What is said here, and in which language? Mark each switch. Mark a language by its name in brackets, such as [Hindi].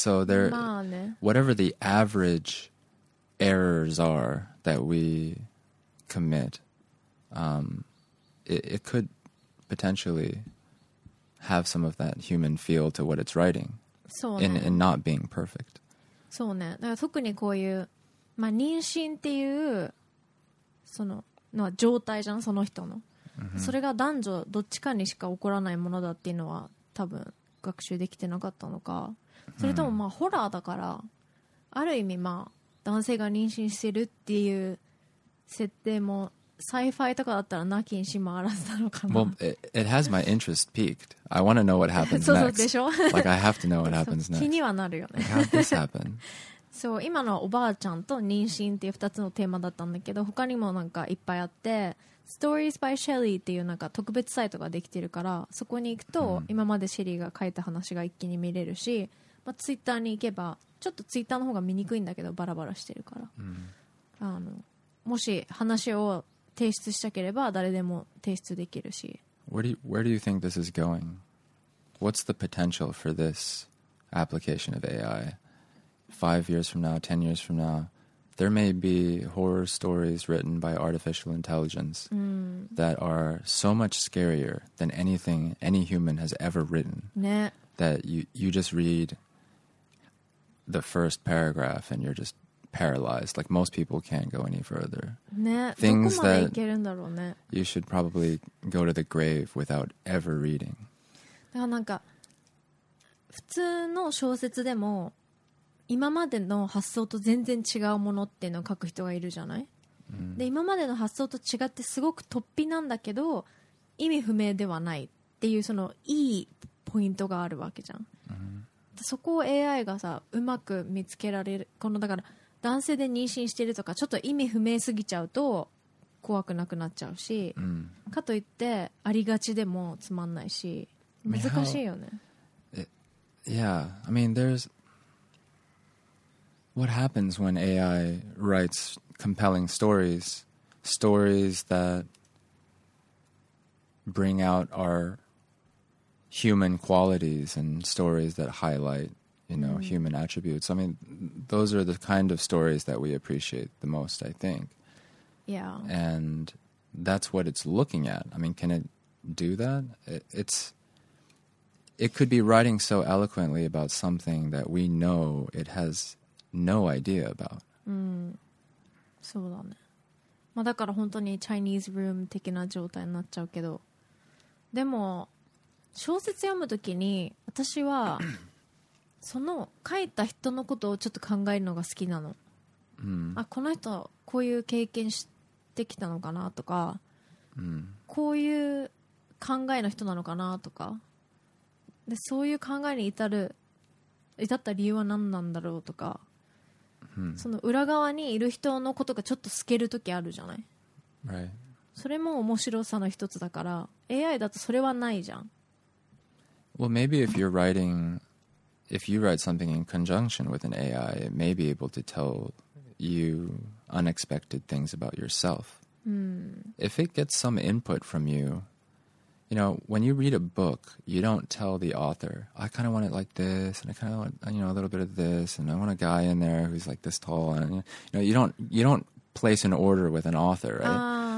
[English] So there, [Japanese] まあね、 [English] whatever the average errors are that we commit, It could potentially have some of that human feel to what it's writing, [Japanese] そうね、 [English] in not being perfect. [Japanese] そうね。だから特にこういう、まあ、妊娠っていうその、まあ、状態じゃん、その人の、それが男女どっちかにしか起こらないものだっていうのは多分学習できてなかったのか、それともまあホラーだから、ある意味まあ男性が妊娠してるっていう設定もSci-fi とかだったらなきにしもあらずなのかな。 [English] Well, it has my interest peaked. I want to know what happens next. [Japanese] そうそうでしょ。 [English] Like I have to know what happens next. [Japanese] 気にはなるよね。 [English] How does this happen? [Japanese] そう、今のはおばあちゃんと妊娠っていう2つのテーマだったんだけど、他にもなんかいっぱいあって、 Stories by Shelley っていうなんか特別サイトができてるから、そこに行くと今までシェリーが書いた話が一気に見れるし、まあ、Twitter に行けば、ちょっと Twitter の方が見にくいんだけどバラバラしてるから、あのもし話を提出したければ誰でも提出できるし。 [English] Where do you think this is going? What's the potential for this application of AI? 5 years from now, 10 years from now, there may be horror stories written by artificial intelligence that are so much scarier than anything any human has ever written. [Japanese] ね。 [English] That you just read the first paragraph and you're just. Paralyzed, like most people can't go any further. [Japanese] ね、 [English] Things that [Japanese] ね、 [English] you should probably go to the grave without ever reading. [Japanese] だからなんか普通の小説でも今までの発想と全然違うものっていうのを書く人がいるじゃない、うん、で今までの発想と違ってすごく突飛なんだけど意味不明ではないっていうそのいいポイントがあるわけじゃん、うん、そこを AI がさうまく見つけられる。このだから男性で妊娠してるとかちょっと意味不明すぎちゃうと怖くなくなっちゃうし、うん、かといってありがちでもつまんないし難しいよね。 [English] I mean there's what happens when AI writes compelling stories, stories that bring out our human qualities and stories that highlight, you know, mm-hmm. human attributes. I mean, those are the kind of stories that we appreciate the most, I think. Yeah. And that's what it's looking at. I mean, can it do that? It could be writing so eloquently about something that we know it has no idea about. [Japanese] そうだね。まあだから本当にChinese room的な状態になっちゃうけど、でも小説読むときに私はその書いた人のことをちょっと考えるのが好きなの。 Mm. あ、この人こういう経験してきたのかなとか、 Mm. こういう考えの人なのかなとか、でそういう考えに至った理由は何なんだろうとか、 Mm. その裏側にいる人のことがちょっと透けるときあるじゃない。 [English] Right. [Japanese] それも面白さの一つだから、AI だとそれはないじゃん。 [English] Well, maybe if you write something in conjunction with an AI, it may be able to tell you unexpected things about yourself. Mm. If it gets some input from you, you know, when you read a book, you don't tell the author, I kind of want it like this, and I kind of want, you know, a little bit of this, and I want a guy in there who's like this tall, and, you know, you don't place an order with an author, right?